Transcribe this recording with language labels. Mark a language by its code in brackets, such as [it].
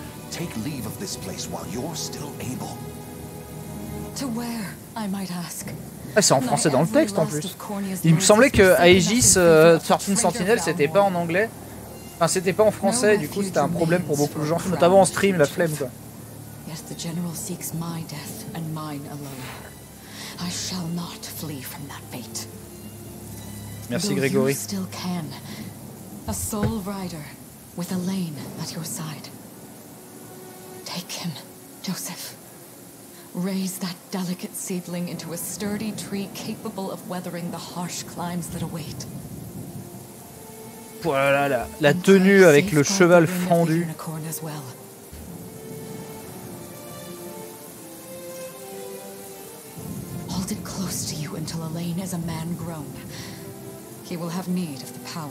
[en] Take leave of this place while you're still able. To where, I might ask. [fr] Ah, c'est en français dans le texte en plus. Il me semblait que Aegis 13 Sentinel c'était pas en anglais. Enfin, c'était pas en français, du coup, c'était un problème pour beaucoup de gens, notamment en stream, la flemme quoi. [en] Yes, the general seeks my death and mine alone. I shall not flee from that fate. [fr] Merci Grégory. [en] A soul rider with Elaine at your side. Take him, Joseph. Raise that delicate seedling into a sturdy tree capable of weathering the harsh climes that await. [fr] Voilà la, la tenue avec le cheval fendu. [en] Hold it close to you until Elaine is a man grown. He will have need of the power.